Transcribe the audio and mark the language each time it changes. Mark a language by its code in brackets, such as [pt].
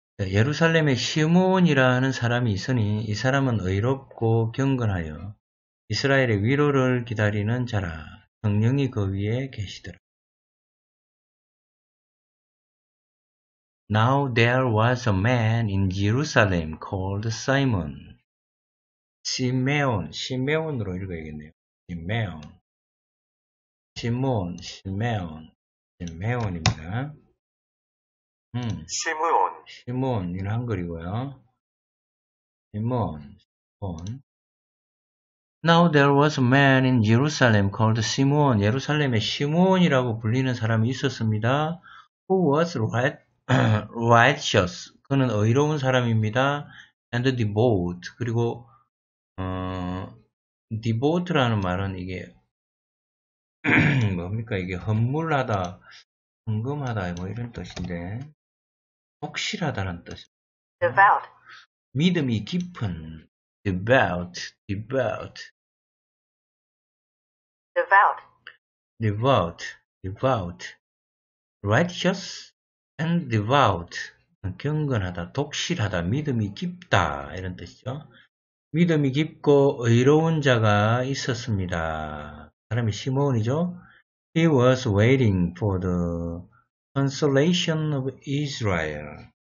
[ko] 예루살렘에 시므온이라는 사람이 있으니 이 사람은 의롭고 경건하여 이스라엘의 위로를 기다리는 자라 성령이 그 위에 계시더라. [en] Now there was a man in Jerusalem called Simon. [ko] 시메온으로 읽어야겠네요. 시메온입니다. 시므온. 시므온은 한글이고요. 시므온. [en] Now there was a man in Jerusalem called Simon. [ko] 예루살렘에 시므온이라고 불리는 사람이 있었습니다. [en] Who was righteous. [ko] 그는 의로운 사람입니다. And devout. 그리고 devout라는 말은 이게 뭡니까? 이게 헌물하다, 헌금하다 뭐 이런 뜻인데 독실하다는 뜻입니다. [en] Devout. [ko] 믿음이 깊은. Devout. [en] Devout. Righteous and devout. [ko] 경건하다, 독실하다, 믿음이 깊다. 이런 뜻이죠. 믿음이 깊고 의로운 자가 있었습니다. 사람이 시므온이죠. [en] He was waiting for the consolation of Israel.